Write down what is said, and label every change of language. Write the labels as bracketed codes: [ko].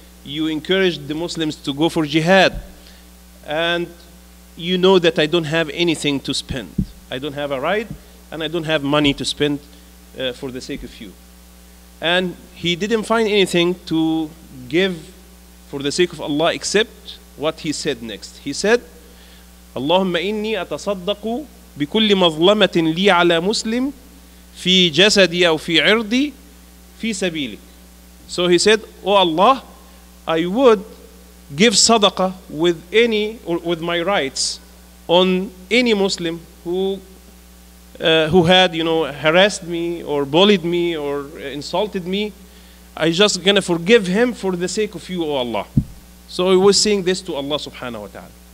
[en] You encouraged the Muslims to go for jihad, and you know that I don't have anything to spend. I don't have a ride, and I don't have money to spend for the sake of you. And he didn't find anything to give for the sake of Allah except what he said next. He said, [ar] اللهم إني أتصدق بكل مظلمة لي على مسلم في جسدي أو في عرضي في سبيلك. [en] So he said, oh Allah, I would give sadaqah with any, or with my rights on any Muslim who had, you know, harassed me or bullied me or insulted me. I just gonna forgive him for the sake of you, oh Allah. So he was saying this to Allah subhanahu wa ta'ala.